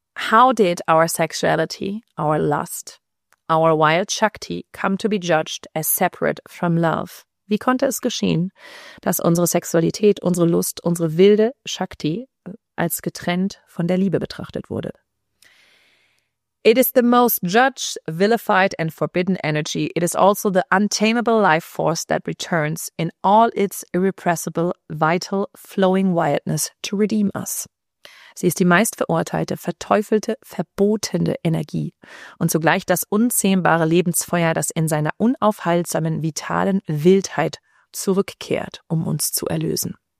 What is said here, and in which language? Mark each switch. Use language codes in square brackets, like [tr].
[en] How did our sexuality, our lust, our wild Shakti come to be judged as separate from love? [de] Wie konnte es geschehen, dass unsere Sexualität, unsere Lust, unsere wilde Shakti als getrennt von der Liebe betrachtet wurde? [en] It is the most judged, vilified and forbidden energy. It is also the untamable life force that returns in all its irrepressible, vital, flowing wildness to redeem us. [de] Sie ist die meist verurteilte, verteufelte, verbotene Energie und zugleich das unzähmbare Lebensfeuer, das in seiner unaufhaltsamen, vitalen Wildheit zurückkehrt, um uns zu erlösen.